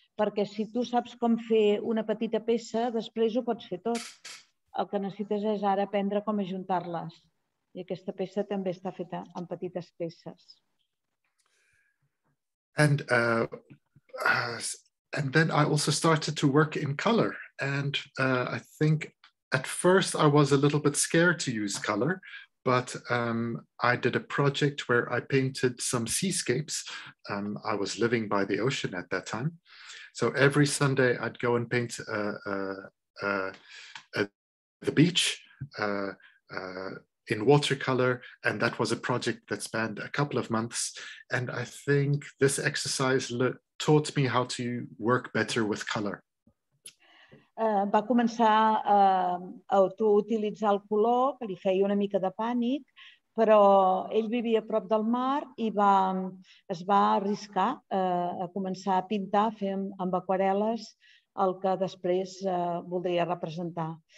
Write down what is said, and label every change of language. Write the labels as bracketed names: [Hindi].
[Catalan] Perquè si tu saps com fer una petita peça, després ho pots fer tot. El que necessites és ara aprendre com ajuntar-les. I aquesta peça també està feta en petites peces. [English] And then I also started to work in color. I think at first I was a little bit scared to use color, but I did a project where I painted some seascapes. I was living by the ocean at that time. So every Sunday I'd go and paint the beach in watercolor, and that was a project that spanned a couple of months. And I think this exercise taught me how to work better with color. [Catalan] Va començar a autoutilitzar el color, que li feia una mica de pànic, però ell vivia a prop del mar i es va arriscar a començar a pintar, a fer amb aquarel·les el que després voldria representar.